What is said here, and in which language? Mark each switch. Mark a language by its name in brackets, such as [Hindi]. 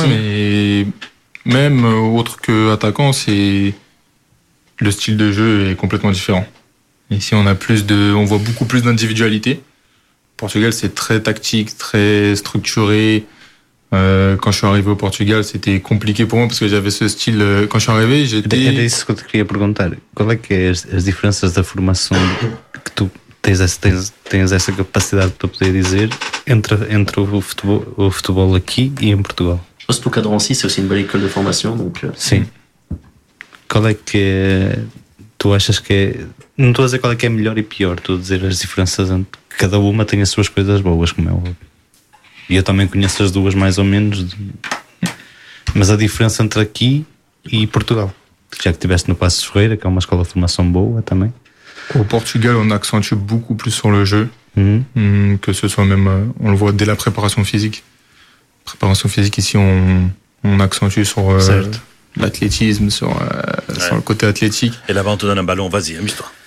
[French] Ouais, mais même autre que attaquant, c'est le style de jeu est complètement différent. Ici, on voit beaucoup plus d'individualité. Le Portugal, c'est très tactique, très structuré. Quand je suis arrivé au Portugal, c'était compliqué pour moi parce que j'avais ce style. Quand je suis arrivé, j'étais... [Portuguese] Era isso que eu te queria perguntar. Qual é que é as diferenças da formação que tu tens essa capacidade para poder dizer entre o futebol aqui e em Portugal? [French] O Cadran 6 é aussi une belle école de formation. Donc... [Portuguese] Sim. Qual é que tu achas que é... Não estou a dizer qual é que é melhor e pior. Estou a dizer as diferenças. Cada uma tem as suas coisas boas, como é óbvio. E eu também conheço as duas mais ou menos, mas a diferença entre aqui e Portugal. já que estiveste no Paços Ferreira, que é uma escola de formação boa também. [French] Au Portugal, on accentue beaucoup plus sur le jeu, que ce soit même, on le voit dès la préparation physique. Préparation physique ici, on accentue sur l'athlétisme, sur le côté athlétique. Et là-bas, on te donne un ballon, vas-y, amuse-toi.